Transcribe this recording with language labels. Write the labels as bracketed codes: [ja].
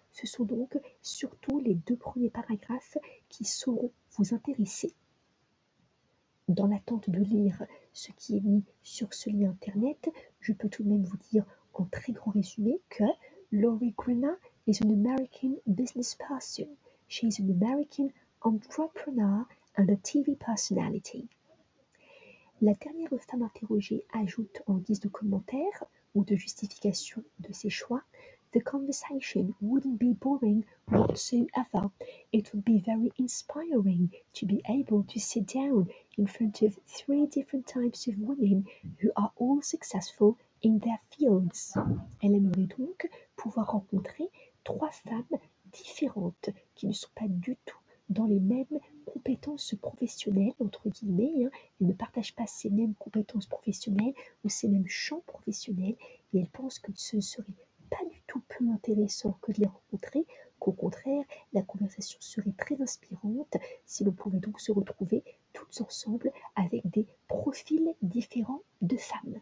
[fr] Ce sont donc surtout les 2 premiers paragraphes qui sauront vous intéresser. Dans l'attente de lire ce qui est mis sur ce lien internet, je peux tout de même vous dire en très grand résumé que [en] Lori Greenough is an American business person. She is an American entrepreneur and a TV personality. [fr] La dernière femme interrogée ajoute en guise de commentaire ou de justification de ses choix, [en] The conversation wouldn't be boring whatsoever. It would be very inspiring to be able to sit down in front of 3 different types of women who are all successful in their fields. [fr] Elle aimerait donc pouvoir rencontrer 3 femmes différentes qui ne sont pas du tout dans les mêmes compétences professionnelles, entre guillemets. Elle ne partage pas ses mêmes compétences professionnelles ou ses mêmes champs professionnels et elle pense que ce serait pas du tout plus intéressant que de les rencontrer, qu'au contraire, la conversation serait très inspirante si l'on pouvait donc se retrouver toutes ensemble avec des profils différents de femmes.